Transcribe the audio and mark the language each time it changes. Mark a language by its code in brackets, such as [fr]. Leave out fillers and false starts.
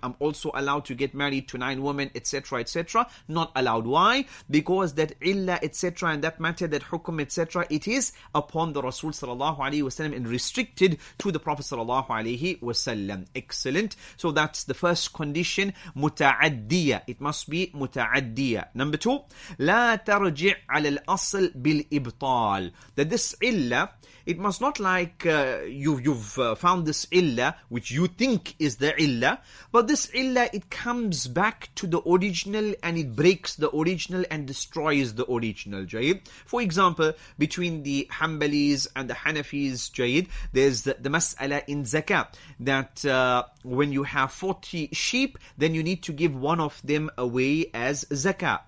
[en] I'm also allowed to get married to 9 women, etc., etc. Not allowed. Why? Because that illa, etc., and that matter, that hukum, etc., it is upon the Rasul sallallahu alayhi wasallam and restricted to the Prophet sallallahu alayhi wasallam. Excellent. So that's the first condition, muta'addiya. It must be muta'addiya. [ar] Number two, لا ترجع على الأصل بالإبطال. [en] That this illa, it must not like you've found this illa, which you think is the illa, but this illa, it comes back to the original and it breaks the original and destroys the original, Jayid. For example, between the Hanbalis and the Hanafis, Jayid, there's the mas'ala in zakah, that when you have 40 sheep, then you need to give one of them away as zakah.